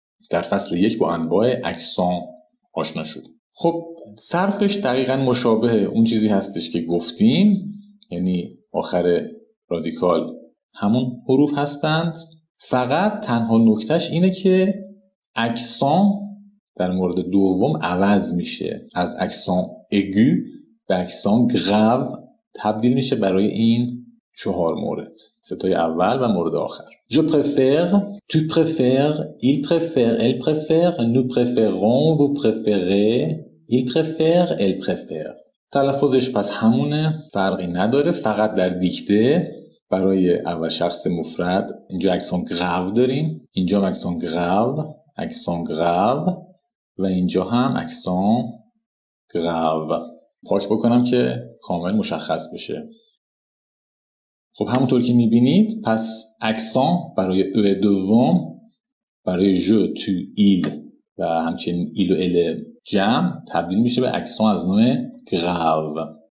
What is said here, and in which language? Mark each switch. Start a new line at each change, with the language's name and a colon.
Persian: در فصل یک با انواع اکسان آشنا شد. خب صرفش دقیقا مشابه اون چیزی هستش که گفتیم، یعنی آخر رادیکال همون حروف هستند، فقط تنها نکتهش اینه که اکسان در مورد دوم عوض میشه، از اکسان اگو به اکسان گرو تبدیل میشه برای این 4 مورد، ستای اول و مورد آخر.
French: Je préfère, tu préfères, il préfère, elle préfère, nous préférons, vous préférez, il préfère, elle préfère.
Persian: تلفظش پس همونه، فرقی نداره، فقط در دیکته برای اول شخص مفرد اینجا اکسان گرو داریم، اینجا اکسان گرو، اکسان گرو، و اینجا هم اکسان گرو. پاک بکنم که کامل مشخص بشه. خب همونطور که میبینید پس اکسان برای او دوم، برای جو، تو، ایل و همچنین ایل و ال جمع تبدیل میشه به اکسان از نوع گرو.